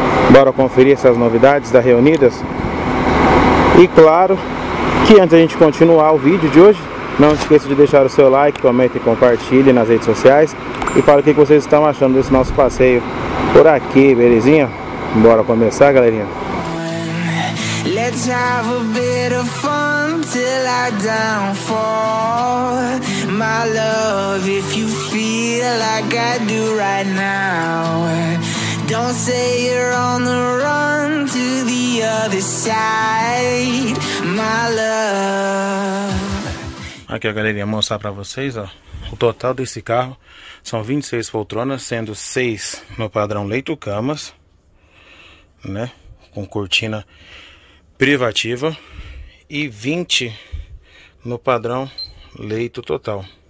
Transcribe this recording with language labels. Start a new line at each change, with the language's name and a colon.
Portuguese: Bora conferir essas novidades da Reunidas. E claro, que antes da gente continuar o vídeo de hoje, não esqueça de deixar o seu like, comente e compartilhe nas redes sociais. E fala o que vocês estão achando desse nosso passeio por aqui, belezinha? Bora começar, galerinha.
English: Let's have a bit of fun till I downfall. My love, if you feel like I do right now. Don't say you're on the run to the other side, my love.
Portuguese: Aqui a galerinha, mostrar pra vocês, ó, o total desse carro. São 26 poltronas, sendo 6 no padrão leito camas, né, com cortina privativa, e 20 no padrão leito total.